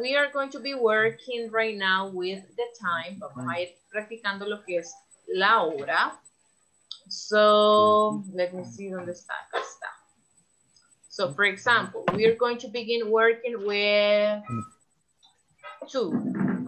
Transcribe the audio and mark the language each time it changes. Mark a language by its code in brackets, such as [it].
[en] We are going to be working right now with the time. [es] Vamos a ir practicando lo que es la hora. [en] So, let me see dónde está. Acá está. So, for example, we are going to begin working with 2.